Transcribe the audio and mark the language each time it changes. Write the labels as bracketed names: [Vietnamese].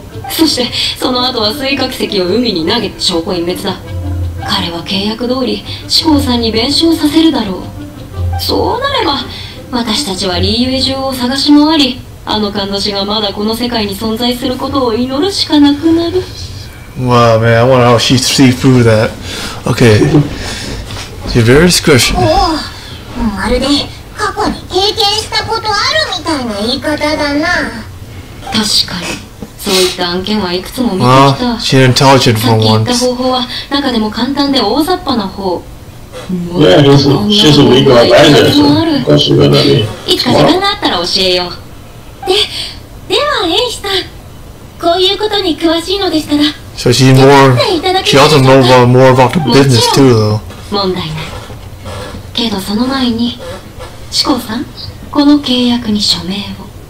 [Japanese] そしてその後は水角石を海に投げて証拠隠滅だ。彼は契約通り志向さんに弁償させるだろう。そうなれば私たちはリーユエジュを探し回り、あのかんざしがまだこの世界に存在することを祈るしかなくなる。 [English] Wow man, I wonder how she see through that. Okay. You're very discretion. [Japanese] おお、まるで過去に経験したことあるみたいな言い方だな。確かに、そういった案件はいくつも見てきた。 [English] Well, she's intelligent for once. [Japanese] さっき言った方法は中でも簡単で大雑把な方。 [English] She's a legal advisor. [Japanese] いつか時間があったら教えよう。では、エイシさん、こういうことに詳しいのでしたら、 [English] so she's more, she also knows more about the business too, though. [Japanese] 問題ない。けどその前に、志向さん、この契約に署名を。